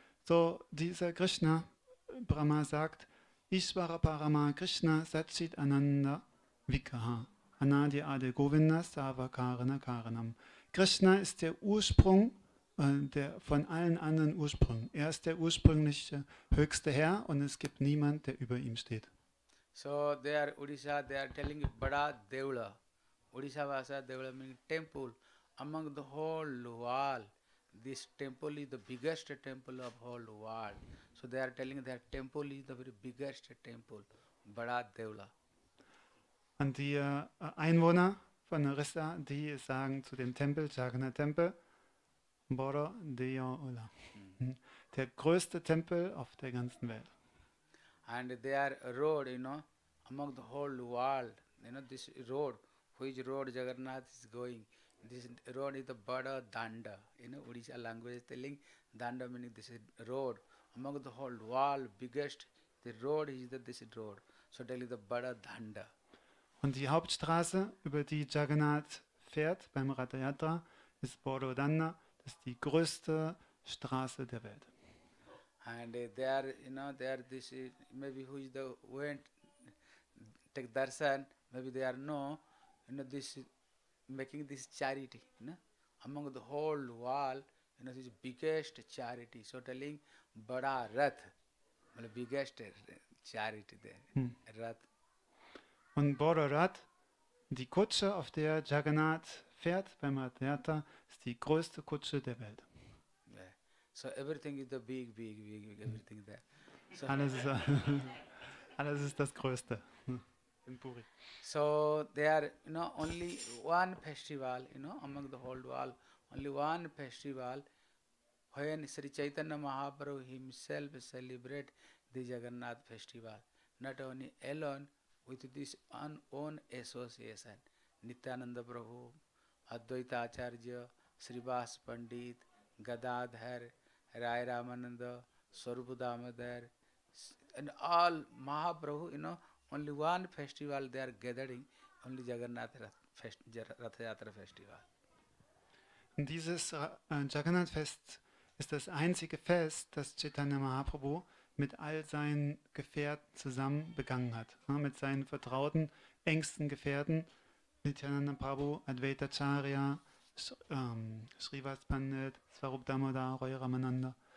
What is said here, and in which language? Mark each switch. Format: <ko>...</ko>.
<de>So, dieser Krishna, Brahma sagt,</de> <sa>Ishvara Parama Krishna Satchit Ananda Vikaha Anadi Ade Govinda Sava Karana Karanam.</sa> <de>Krishna ist der Ursprung der von allen anderen Ursprüngen. Er ist der ursprüngliche höchste Herr und es gibt niemand, der über ihm steht.</de> <en>So, they are Odisha, they are telling Bada Devula. Odisha Vasa Devula meaning temple among the whole world. This temple is the biggest temple of whole world. So they are telling that temple is the very biggest temple, Bada Devula.</en> <de>Und die Einwohner von Orissa, die sagen zu dem Tempel, Jagannath Tempel, Bada Devula. Der größte Tempel auf der ganzen Welt.</de> <en>And they are road, you know, among the whole world. You know, this road, which road Jagannath is going. This road is the Bada Danda. In Odisha language telling Danda meaning this road. Among the whole world, biggest the road is the this road. So tell you the Bada Danda.</en> <de>Und die Hauptstraße, über die Jagannath fährt beim Radha Yatra, ist Bada Danda. Das ist die größte Straße der Welt.</de> <en>And there, you know, there this is maybe who is the went take darshan, maybe they are no, you know, this making this charity, you know, among the whole world, you know, this biggest charity. So telling Bada Rath, the biggest charity there, Rath.</en> <de>On Bora Rath, die Kutsche, auf der Jagannath fährt beim Radyata, ist die größte Kutsche der Welt.</de> <en>Yeah. So everything is the big, big, big, big everything there. So</en> <de>alles ist das Größte in Puri.</de> <en>So there are, you know, only one festival, you know, among the whole world, only one festival when Sri Chaitanya Mahaprabhu himself celebrate the Jagannath festival, not only alone, with this own association, Nityananda Prabhu, Advaita Acharya, Srivas Pandit, Gadadhar, Rai Ramananda, Swarupa Damodar, and all Mahaprabhu, you know, only one festival they are gathering, only Jagannath Rath Yatra Festival.</en> <de>Dieses Jagannath Fest ist das einzige Fest, das Chaitanya Mahaprabhu mit all seinen Gefährten zusammen begangen hat. Ja, mit seinen vertrauten, engsten Gefährten, Nityananda Prabhu, Advaita Acharya, Srivas Pandit, Swarupa Damodar, Rai Ramananda.</de>